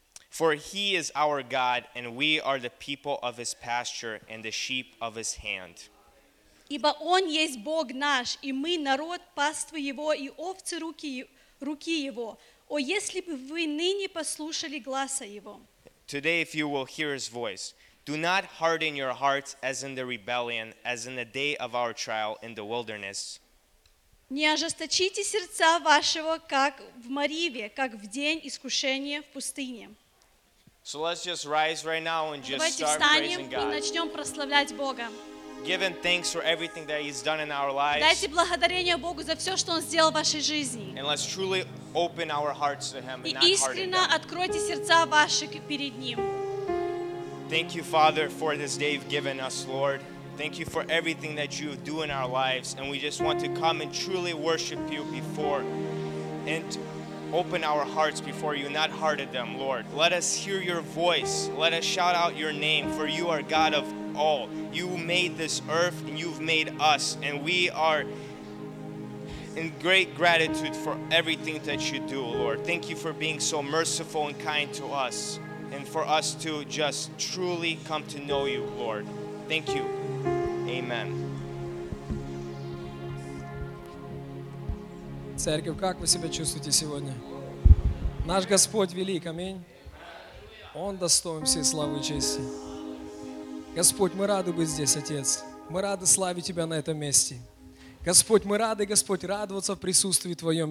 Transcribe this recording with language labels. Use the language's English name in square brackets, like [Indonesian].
[English] For He is our God, and we are the people of His pasture, and the sheep of His hand. [Russian] Ибо Он есть Бог наш, и мы народ паствы Его, и овцы руки Его. О, если бы вы ныне послушали гласа Его. [English] Today, if you will hear His voice, do not harden your hearts as in the rebellion, as in the day of our trial in the wilderness. [Russian] Не ожесточите сердца вашего, как в Мариве, как в день искушения в пустыне. [English] So let's just rise right now and just [Russian] Давайте [English] start [Russian] встанем [English] praising God. [Russian] И начнем прославлять Бога. [English] Give thanks for everything that He's done in our lives. [Russian] Дайте благодарение Богу за все, что Он сделал в вашей жизни. [English] And let's truly open our hearts to Him and [Russian] И искренне откройте сердца ваши перед Ним. [English] Thank you, Father, for this day you've given us, Lord. Thank you for everything that you do in our lives, and we just want to come and truly worship you before and open our hearts before you, not harden them, Lord. Let us hear your voice. Let us shout out your name, for you are God of all. You made this earth, and you've made us, and we are in great gratitude for everything that you do, Lord. Thank you for being so merciful and kind to us, and for us to just truly come to know you, Lord. Thank you. Amen. [Russian] Церковь, как вы себя чувствуете сегодня? Наш Господь велик, аминь. Он достоин всей славы и чести. Господь, мы рады быть здесь, Отец. Мы рады славить Тебя на этом месте. Господь, мы рады, Господь, радоваться в присутствии Твоем.